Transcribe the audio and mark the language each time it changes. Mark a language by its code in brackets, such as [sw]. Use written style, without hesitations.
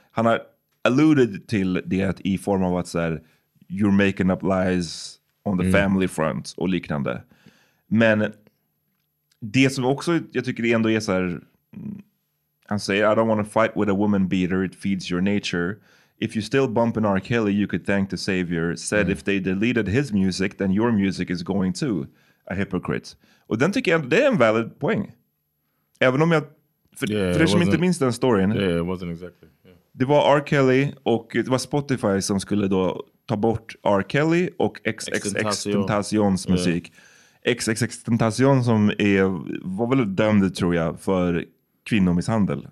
[sv] Han har alluded till det i form av att säga [en] you're making up lies on the family front [sv] och liknande. Men det som också jag tycker det ändå är så här, han säger [en] I don't want to fight with a woman beater, it feeds your nature. If you still bump in R. Kelly, you could thank the savior. Said if they deleted his music, then your music is going too. A hypocrite. [sv] Och den tycker jag ändå, det är en valid poäng. Även om jag, för det som inte minns den storyn. [en] Yeah, it wasn't exactly. Yeah. [sv] Det var R. Kelly och det var Spotify som skulle då ta bort R. Kelly och XXXTentacion's musik. [en] Yeah. [sv] XXXTentacion som var väl dömd, tror jag, för kvinnomisshandel.